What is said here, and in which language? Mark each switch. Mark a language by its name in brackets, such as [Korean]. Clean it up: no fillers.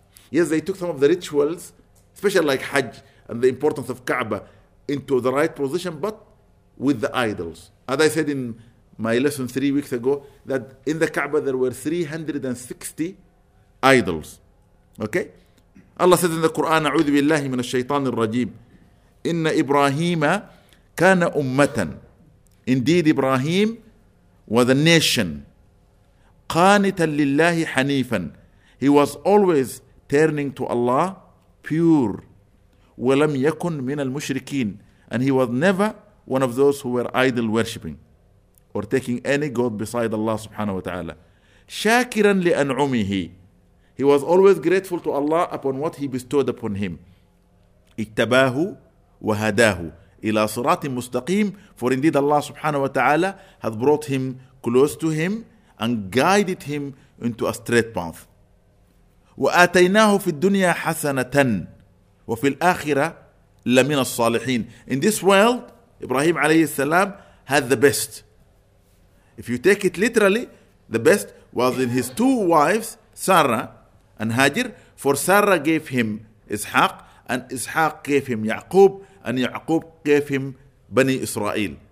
[English] Yes, they took some of the rituals, especially like Hajj and the importance of Kaaba, into the right position, but with the idols. As I said in my lesson 3 weeks ago, that in the Kaaba there were 360 idols. Okay? Allah says in the Quran, [Arabic] أعوذ بالله من الشيطان الرجيم, إن إبراهيم كان أمة. [English] Indeed, Ibrahim was a nation, [Arabic] qanitan lillahi hanifan. [English] He was always turning to Allah, pure. [Arabic] Walam yakun min al mushrikeen. [English] And he was never one of those who were idol worshipping or taking any god beside Allah subhanahu wa ta'ala. [Arabic] Shakiran li an'umihi. [English] He was always grateful to Allah upon what he bestowed upon him. [Arabic] Ittabahu wa hadahu ila siratin mustaqim. [English] For indeed Allah subhanahu wa ta'ala has brought him close to him and guided him into a straight path. [Arabic] وآتيناه في الدنيا حسنة وفي الآخرة لمن الصالحين. [English] In this world, Ibrahim alayhi salam had the best. If you take it literally, the best was in his two wives, Sarah and Hajar. For Sarah gave him Ishaq, and Ishaq gave him Ya'qub, and Ya'qub gave him Bani Israel.